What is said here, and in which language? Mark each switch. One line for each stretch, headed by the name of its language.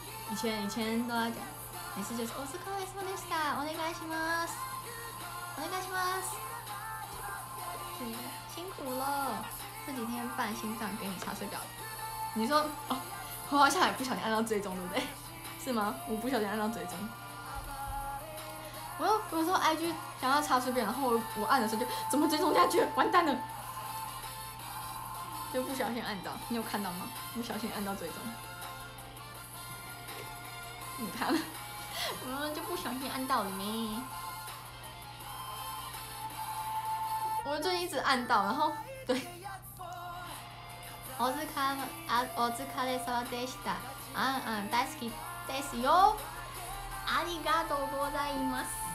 Chinese: 以前都要讲，每次就是
Japanese: お疲れ様でした，お願いします，お願いします。
Chinese: 辛苦了，这几天办心脏给你查水表。你说，哦，我好像还不小心按到追踪，对不对？是吗？我不小心按到追踪。我又不是说 IG 想要查水表，然后 我按的时候就怎么追踪下去，完蛋了。就不小心按到，你有看到吗？不小心按到追踪。你看，我就不小心按到了没。我就一直按到，然后对，
Japanese: お疲れ様でした。あんあん大好きですよ。ありがとうございます。